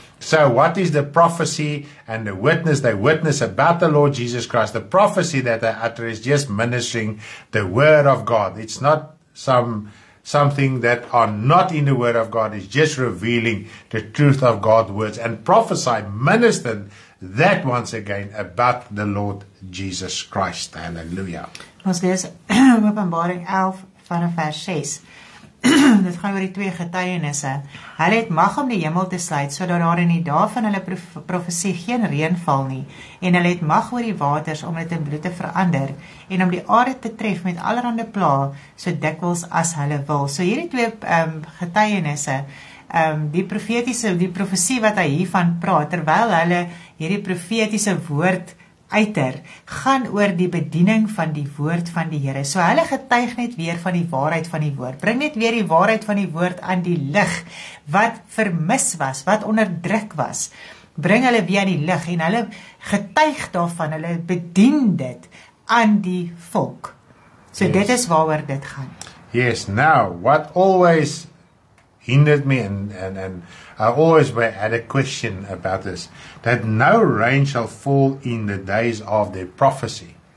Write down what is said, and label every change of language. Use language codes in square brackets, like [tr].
[en] So what is the prophecy and the witness? They witness about the Lord Jesus Christ. The prophecy that they utter is just ministering the word of God. It's not something that are not in the word of God, is just revealing the truth of God's words and prophesy, minister that once again about the Lord Jesus Christ. Hallelujah. [af] Ons lees Openbaring 11 vanaf vers 6. Dit gaan oor die twee getuienisse. Hulle het mag om die hemel te sluit, sodat daar in die dag van hulle profesie geen reën val nie, en hulle het mag oor die waters om dit in bloed te verander, en om die aarde te tref met allerhande plaag, so dikwels as hulle wil. So hierdie twee getuienisse, die profetiese, die profesie wat hy hiervan praat, terwyl hulle hierdie profetiese woord uiter gaan oor die bediening van die woord van die Here. So hulle getuig net weer van die waarheid van die woord. Bring net weer die waarheid van die woord aan die lig wat vermis was, wat onderdruk was. Bring hulle weer aan die lig en hulle getuig daarvan, hulle bedien dit aan die volk. [en] So yes. [af] Dit is waaroor dit gaan. [en] Yes, now what always hindered me and I always had a question about this, that no rain shall fall in the days of their prophecy.